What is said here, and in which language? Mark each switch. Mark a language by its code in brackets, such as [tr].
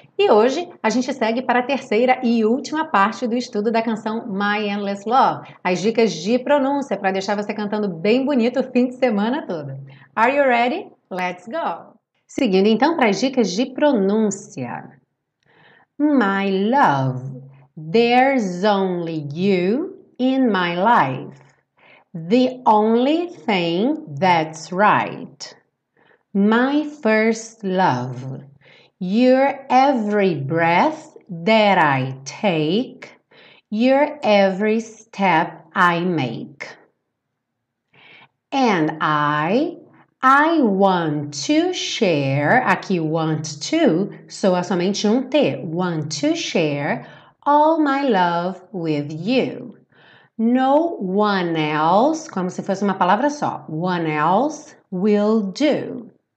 [pt] E hoje a gente segue para a terceira e última parte do estudo da canção My Endless Love, as dicas de pronúncia para deixar você cantando bem bonito o fim de semana todo. [en] Are you ready? Let's go! [pt] Seguindo então para as dicas de pronúncia. [en] My love, there's only you in my life. The only thing that's right. My first love, you're every breath that I take. You're every step I make. And I want to share, [pt] aqui [en] want to, [pt] soa somente um T, [en] want to share all my love with you. No one else, [pt] como se fosse uma palavra só, [en] one else will do.